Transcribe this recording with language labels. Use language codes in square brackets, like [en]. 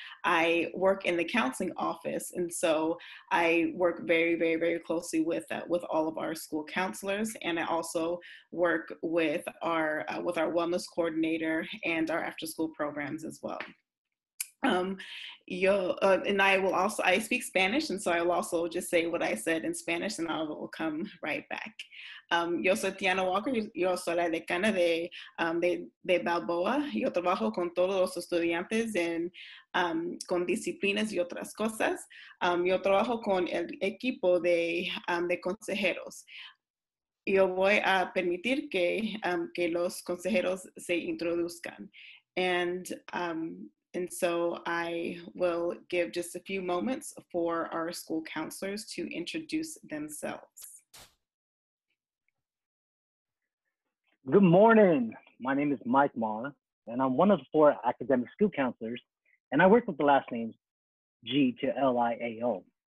[en] I work in the counseling office, and so I work very, very, very closely with all of our school counselors. And I also work with our wellness coordinator and our after-school programs as well. I speak Spanish, and so I will also just say what I said in Spanish, and I will come right back. [es] Yo soy Tiana Walker, yo soy la decana de Balboa. Yo trabajo con todos los estudiantes con disciplinas y otras cosas. Yo trabajo con el equipo de consejeros. Yo voy a permitir que los consejeros se introduzcan. [en] And so I will give just a few moments for our school counselors to introduce themselves. Good morning. My name is Mike Ma, and I'm one of the four academic school counselors, and I work with the last names G to L-I-A-O.